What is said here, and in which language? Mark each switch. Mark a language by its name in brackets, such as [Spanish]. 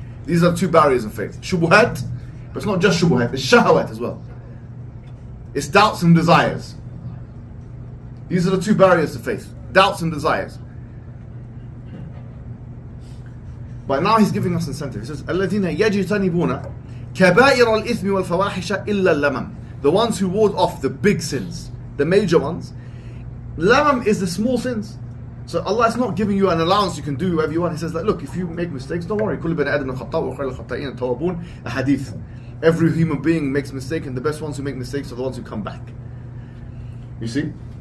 [English] These are two barriers of faith. Shubuhat, but it's not just shubuhat, it's shahawat as well. It's doubts and desires. These are the two barriers to faith, doubts and desires. But now He's giving us incentive. He says, [Arabic] الَّذِينَ يَجِتَنِبُونَ كَبَائِرَ الْإِثْمِ وَالْفَوَاحِشَ إِلَّا اللَّمَمْ. [English] The ones who ward off the big sins, the major ones. Lamam is the small sins. So Allah is not giving you an allowance, you can do whatever you want. He says, look, if you make mistakes, don't worry. [Arabic] كُلِّ بَنِ أَدَمِ الْخَطَّاءُ وَخَيْرَ الْخَطَّائِينَ التَّوَّابُونَ. [English] A hadith. Every human being makes mistakes, and the best ones who make mistakes are the ones who come back. You see?